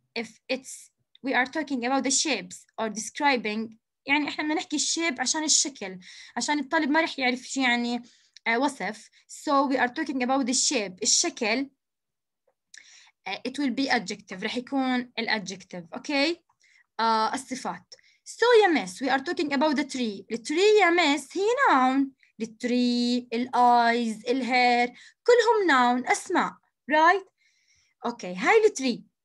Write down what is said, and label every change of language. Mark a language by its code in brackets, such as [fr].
[en] If it's, we are talking about the shapes or describing. [ar] يعني احنا بدنا نحكي الشيب عشان الشكل عشان الطالب ما رح يعرف شو يعني وصف. [en] So we are talking about the shape, الشكل. It will be adjective, [ar] رح يكون [en] adjective. Okay, الصفات. So yes, we are talking about the tree. The tree yes, هي noun. The tree, the eyes, the hair, [ar] كلهم [en] noun, اسماء, right? Okay, هاي the tree.